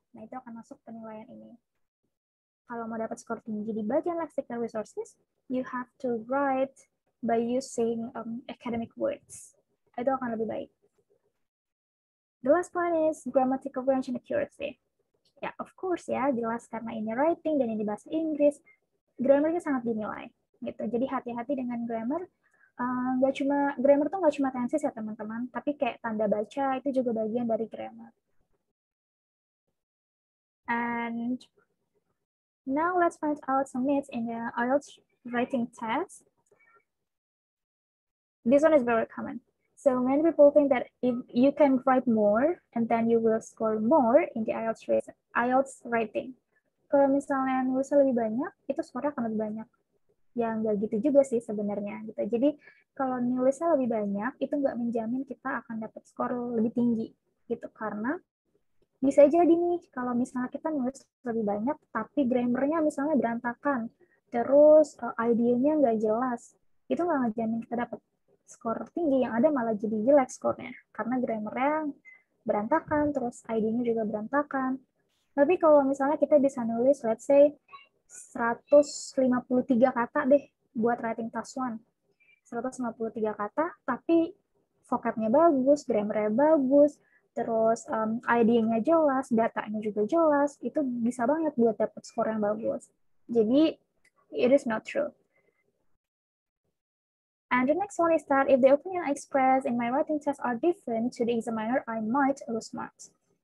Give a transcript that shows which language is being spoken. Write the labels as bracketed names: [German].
[Indonesian] Nah, itu akan masuk penilaian ini. Kalau mau dapat skor tinggi di bagian lexical resources, [English] you have to write by using academic words. [Indonesian] Itu akan lebih baik. [English] The last point is grammatical range and accuracy. [Indonesian] Ya, yeah, [English] of course [Indonesian] ya, jelas karena ini writing dan ini bahasa Inggris, grammarnya sangat dinilai. Gitu. Jadi hati-hati dengan grammar. Gak cuma grammar tuh gak cuma tenses ya teman-teman, tapi kayak tanda baca itu juga bagian dari grammar. [English] And now let's find out some myths in the IELTS writing test. This one is very common. So many people think that if you can write more and then you will score more in the IELTS writing. [Indonesian] Kalau misalnya nulisnya lebih banyak, itu skornya akan lebih banyak. Ya, nggak gitu juga sih sebenarnya. Gitu. Jadi, kalau nulisnya lebih banyak, itu nggak menjamin kita akan dapat skor lebih tinggi. Gitu. Karena bisa jadi nih, kalau misalnya kita nulis lebih banyak, tapi grammarnya misalnya berantakan, terus idenya nggak jelas, itu nggak menjamin kita dapat skor tinggi. Yang ada malah jadi jelek skornya. Karena grammarnya berantakan, terus idenya juga berantakan. Tapi kalau misalnya kita bisa nulis, [English] let's say, [Indonesian] 153 kata deh buat writing task 1. 153 kata, tapi vocab-nya bagus, grammar-nya bagus, terus idea-nya jelas, datanya juga jelas, itu bisa banget buat dapet skor yang bagus. Jadi, [English] it is not true. And the next one is that if the opinion I express in my writing test are different to the examiner, I might lose marks.